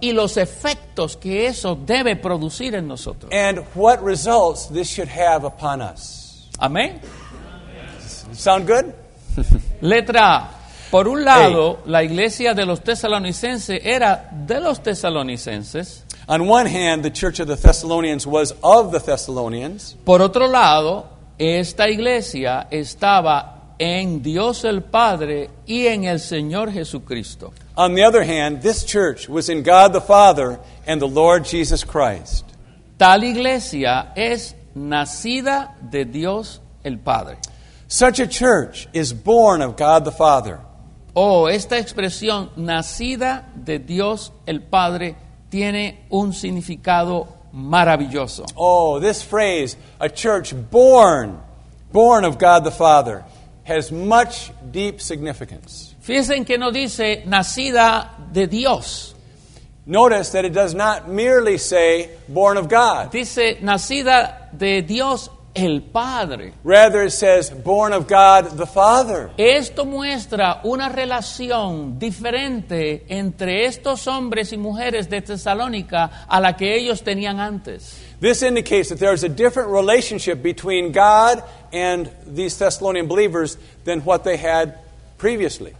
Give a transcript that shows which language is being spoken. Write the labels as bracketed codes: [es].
[es] Y los efectos que eso debe producir en nosotros. [en] And what results this should have upon us. [es] Amén. [en] Sound good? [es] Letra A. Por un lado, la iglesia de los Tesalonicenses era de los Tesalonicenses. [en] On one hand, the church of the Thessalonians was of the Thessalonians. [es] Por otro lado, esta iglesia estaba en Dios el Padre y en el Señor Jesucristo. [en] On the other hand, this church was in God the Father and the Lord Jesus Christ. [es] Tal iglesia es nacida de Dios el Padre. [en] Such a church is born of God the Father. [es] Oh, esta expresión, nacida de Dios el Padre, tiene un significado maravilloso. [en] Oh, this phrase, a church born of God the Father, has much deep significance. [es] Fíjense en que no dice, nacida de Dios. [en] Notice that it does not merely say, born of God. [es] Dice, nacida de Dios el Padre. [en] Rather, it says, born of God the Father. [es] Esto muestra una relación diferente entre estos hombres y mujeres de Tesalónica a la que ellos tenían antes. [en] This indicates that there is a different relationship between God and these Thessalonian believers than what they had previously.